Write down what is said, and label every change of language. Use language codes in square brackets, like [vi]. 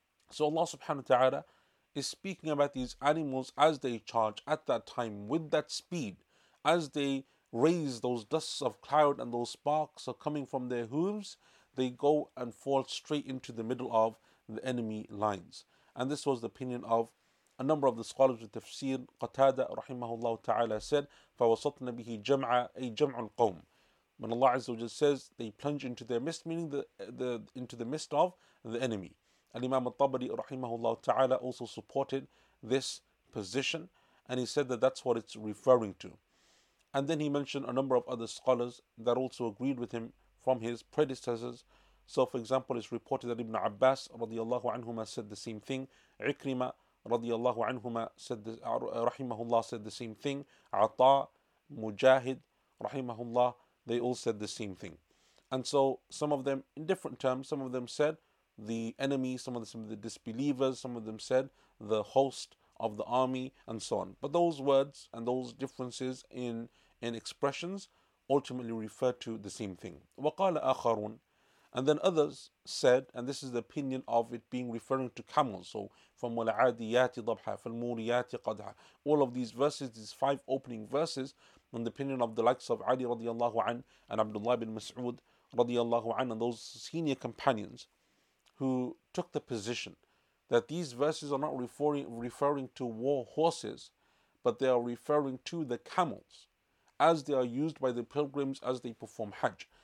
[en] So Allah subhanahu wa ta'ala is speaking about these animals as they charge at that time with that speed, as they raise those dusts of cloud and those sparks are coming from their hooves, they go and fall straight into the middle of the enemy lines. And this was the opinion of a number of the scholars of tafsir. Qatada rahimahullah ta'ala said, [ar] فَوَسَطْنَا بِهِ جَمْعَ أي جَمْعُ الْقَوْمِ. [en] When Allah Azza wa Jalla says they plunge into their midst, meaning into the midst of the enemy. And Imam al-Tabari rahimahullah ta'ala also supported this position, and he said that that's what it's referring to. And then he mentioned a number of other scholars that also agreed with him from his predecessors. So for example, it's reported that Ibn Abbas radiallahu anhuma said the same thing. Ikrima radiallahu anhuma said the same thing. Ata, Mujahid rahimahullah, they all said the same thing. And so some of them, in different terms, some of them said the enemy, some of the disbelievers, some of them said the host of the army, and so on. But those words and those differences in expressions ultimately refer to the same thing. [ar] وَقَالَ أَخَرُونَ. [en] And then others said, and this is the opinion of it being referring to camels. So from [ar] وَلَعَادِيَاتِ ضَبْحَ فَالْمُورِيَاتِ قَدْحَ. [en] All of these verses, these five opening verses, on the opinion of the likes of Ali radiallahu an and Abdullah ibn Mas'ud radiallahu an and those senior companions who took the position that these verses are not referring to war horses, but they are referring to the camels as they are used by the pilgrims as they perform Hajj.